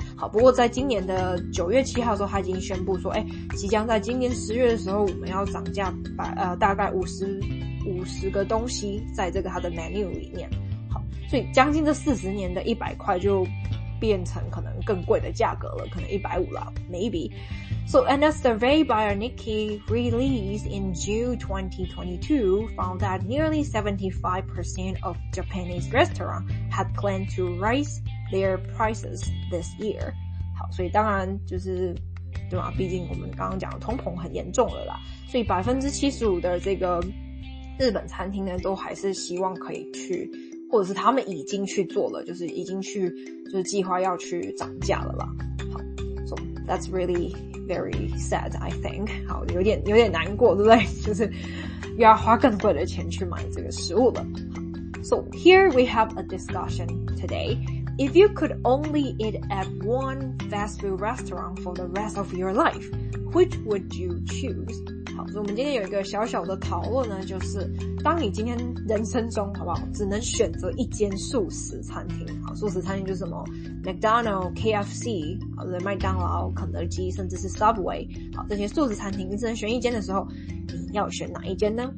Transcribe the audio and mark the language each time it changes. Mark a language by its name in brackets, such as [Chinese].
[Chinese] 好，不过在今年的9月7号的时候，他已经宣布说，哎，即将在今年10月的时候，我们要涨价大概50个东西在这个他的 menu 里面。好，所以将近这40年的100块就变成可能更贵的价格了，可能150了 ， [English] maybe。 So, and a survey by a Nikkei release in June 2022 found that nearly 75% of Japanese restaurants had planned to raise their prices this year. [Chinese] 好，所以当然就是对吧？毕竟我们刚刚讲的通膨很严重了啦，所以 75% 的这个日本餐厅呢，都还是希望可以去，或者是他们已经去做了，就是已经去就是计划要去涨价了啦。 [English] 好， so that's really very sad, I think. [Chinese] 好，有点难过，对不对？就是又要花更贵的钱去买这个食物了。 [English] So here we have a discussion today. If you could only eat at one fast food restaurant for the rest of your life, which would you choose? [Chinese] 好，所以我们今天有一个小小的讨论呢，就是当你今天人生中好不好，只能选择一间素食餐厅。好，素食餐厅就是什么 McDonald's, KFC, 好，就是麦当劳、肯德基，甚至是 Subway。好，这些素食餐厅你只能选一间的时候，你要选哪一间呢？